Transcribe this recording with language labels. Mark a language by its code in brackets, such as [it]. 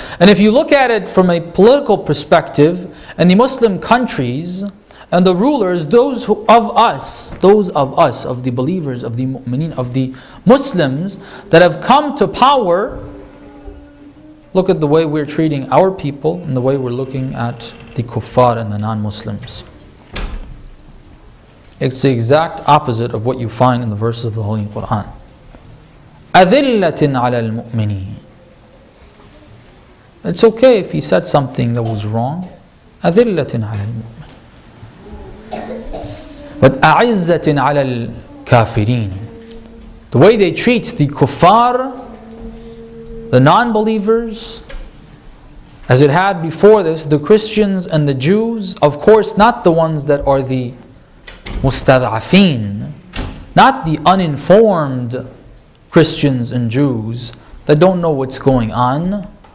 [en] And if you look at it from a political perspective, and the Muslim countries, and the rulers, those of us, of the believers, of the mu'mineen, of the Muslims, that have come to power, look at the way we're treating our people, and the way we're looking at the kuffar and the non-Muslims. It's the exact opposite of what you find in the verses of the Holy Quran. [ar] أَذِلَّةٍ عَلَى الْمُؤْمِنِينَ. [en] It's okay if he said something that was wrong. [ar] أَذِلَّةٍ عَلَى الْمُؤْمِنِينَ. But أَعِزَّةٍ عَلَى الْكَافِرِينَ. [en] The way they treat the kuffar, the non-believers, as it had before this, the Christians and the Jews, of course not the ones that are the مستضعفين, not the uninformed Christians and Jews that don't know what's going on.